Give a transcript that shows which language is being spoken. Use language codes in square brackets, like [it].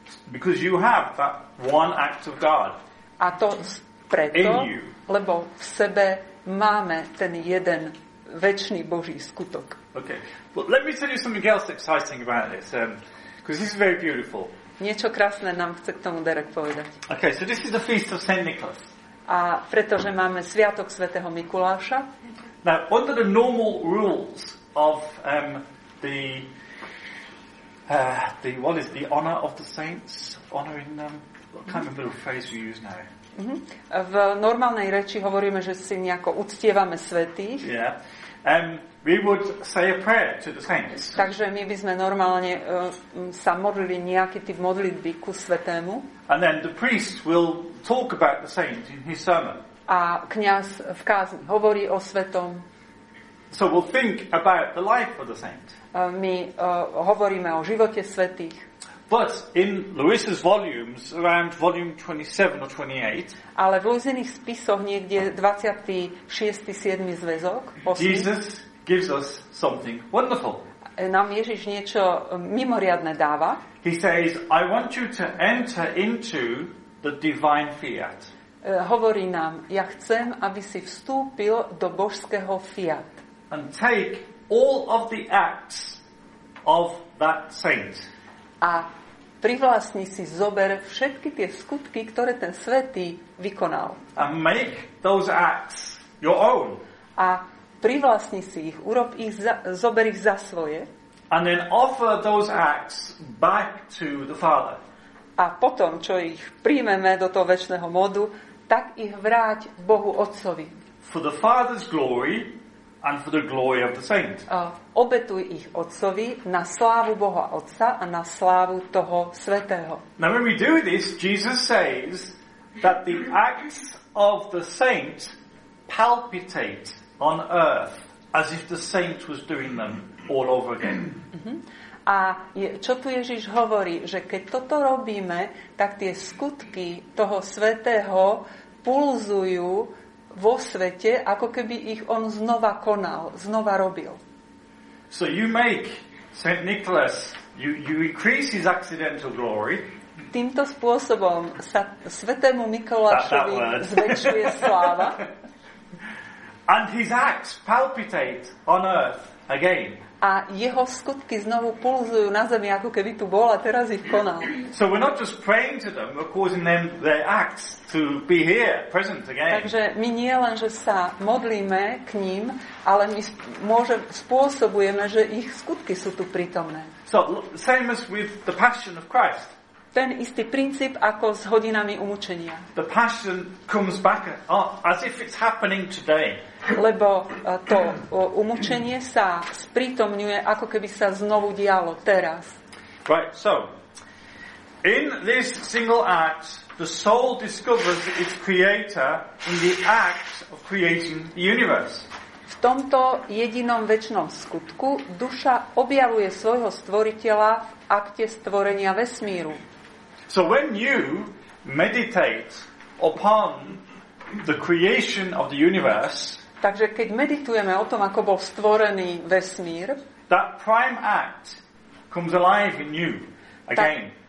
[en] Because you have that one act of God. [sk] A to preto, lebo v sebe máme ten jeden večný Boží skutok. [en] Okay. Well, let me tell you something else exciting about this. Because this is very beautiful. [sk] Niečo krásne nám chce k tomu Derek povedať. [en] Okay, so this is the feast of Saint Nicholas. [sk] A pretože máme sviatok svätého Mikuláša. [en] Now, under the normal rules of the what is the honor of the saints, honoring them, what kind of little phrase we use now? Mm-hmm. [sk] V normálnej reči hovoríme, že si nejako uctievame svätých. [en] Yeah. We would say a prayer to the saints. [sk] Takže my by sme normálne sa modlili nejaký typ modlitby ku svätému. [en] And then the priest will talk about the saints in his sermon. [sk] A kňaz v kázni hovorí o svätom. [en] So we'll think about the life of the saint. [sk] My hovoríme o živote svätých. [en] But in Lewis's volumes, around volume 27 or 28, [sk] ale v Lewisových spisoch niekde 26. 7. zväzok, 8. [en] Jesus gives us something wonderful. [sk] Nám Ježiš niečo mimoriadne dáva. [en] He says, I want you to enter into the divine fiat. [sk] Hovorí nám, ja chcem, aby si vstúpil do božského fiat. [en] And take all of the acts of that saint. [sk] A privlastni si, zober všetky tie skutky, ktoré ten svätý vykonal. [en] And make those acts your own. [sk] A privlastni si ich, urob ich za, zober ich za svoje. [en] And then offer those acts back to the Father. [sk] A potom, čo ich príjmeme do toho večného modu, tak ich vráť Bohu Otcovi. [en] For the Father's glory and for the glory of the saint. [sk] Obetuj ich Otcovi na slávu Boha Otca a na slávu toho svätého. [en] Now when we do this, Jesus says that the acts of the saint palpitate on earth as if the saint was doing them all over again. [sk] A je, čo tu Ježiš hovorí, že keď toto robíme, tak tie skutky toho svätého pulzujú vo svete, ako keby ich on znova konal, znova robil. [en] So you make Saint Nicholas, you increase his accidental glory. [sk] Týmto spôsobom sa svätému Mikolášovi zväčšuje sláva. [en] And his acts palpitate on earth again. [sk] A jeho skutky znovu pulzujú na zemi, ako keby tu bol a teraz ich konal. [en] So we're not just praying to them, we're causing them their acts to be here, present again. [sk] Takže my nie len, že sa modlíme k ním, ale my spôsobujeme, že ich skutky sú tu prítomné. [en] So same as with the passion of Christ. [sk] Ten istý princíp ako s hodinami umučenia. [en] The passion comes back as if it's happening today. [sk] Lebo to umučenie sa sprítomňuje, ako keby sa znovu dialo teraz. [en] Right, so in this single act the soul discovers its creator in the act of creating the universe. [sk] V tomto jedinom večnom skutku duša objavuje svojho stvoriteľa v akte stvorenia vesmíru. [en] So when you meditate upon the creation of the universe, [sk] takže keď meditujeme o tom, ako bol stvorený vesmír, [en] that prime act comes alive in you again.